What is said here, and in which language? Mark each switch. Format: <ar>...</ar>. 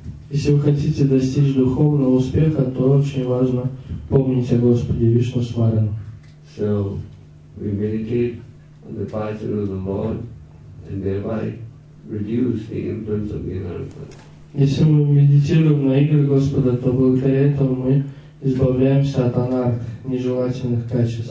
<ru>Если вы хотите достичь духовного успеха, то очень важно помнить о Господе Вишну Смарану.</ru> <en>So, we meditate on the passion of the Lord and thereby reduce the influence of the Anartha.</en> <ru>Если мы медитируем на игры Господа, то благодаря этому мы избавляемся от анарх, нежелательных качеств.</ru>